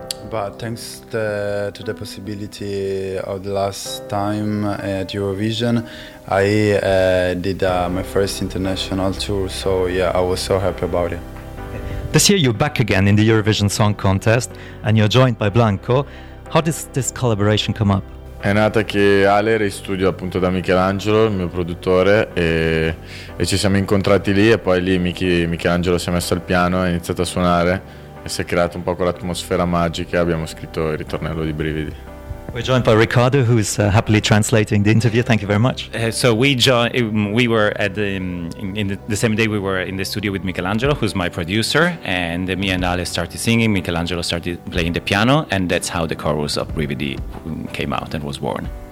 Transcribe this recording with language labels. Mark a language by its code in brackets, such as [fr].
[en] But thanks to the possibility of the last time at Eurovision, I did my first international tour, so yeah, I was so happy about it. This year you're back again in the Eurovision Song Contest and you're joined by Blanco. How does this collaboration come up? [it] È nata che Ale era in studio appunto da Michelangelo, il mio produttore, e ci siamo incontrati lì e poi lì Michelangelo si è messo al piano e ha iniziato a suonare e si è creato un po' quell'atmosfera magica e abbiamo scritto il ritornello di Brividi. [en] We're joined by Ricardo, who's happily translating the interview. Thank you very much. So we were in the same day. We were in the studio with Michelangelo, who's my producer, and me and Ale started singing. Michelangelo started playing the piano, and that's how the chorus of Brividi came out and was born.